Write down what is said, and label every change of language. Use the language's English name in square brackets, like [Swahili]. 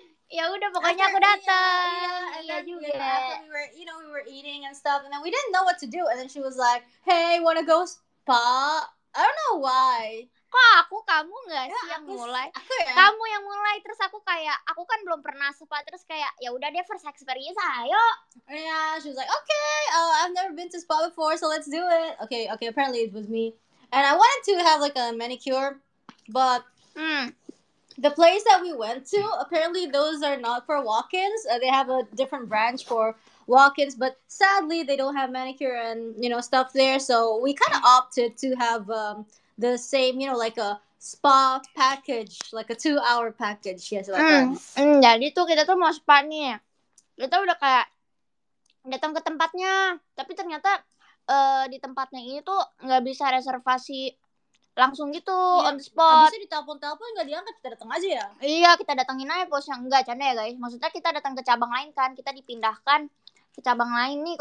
[Indonesian] Ya udah pokoknya aku datang. Iya juga. [English] Yeah, after we were, you know, we were eating and stuff, and then we didn't know what to do. And then she was like, "Hey, wanna go spa?" I don't know why. [Indonesian] Kok aku, kamu gak sih yang mulai? Aku ya? Kamu yang mulai, terus aku kayak, aku kan belum pernah spa, terus kayak, ya udah deh, first experience, ayo. [English] Yeah, she was like, okay, I've never been to spa before, so let's do it. Okay, apparently it was me. And I wanted to have like a manicure, but the place that we went to, apparently those are not for walk-ins. They have a different branch for walk-ins, but sadly they don't have manicure and, you know, stuff there. So we kind of opted to have... the same, you know, like a spa package, like a 2-hour package, yes, like that. [Indonesian] Jadi tuh kita tuh mau spa nih. Kita udah kayak datang ke tempatnya, tapi ternyata di tempatnya ini tuh nggak bisa reservasi langsung gitu, yeah, [English] on the spot. [Indonesian] Abisnya ditelepon-telepon nggak diangkat, kita datang aja ya. Iya, kita datangin aja bos, yang enggak canda ya guys. Maksudnya kita datang ke cabang lain kan, kita dipindahkan ke cabang lain nih.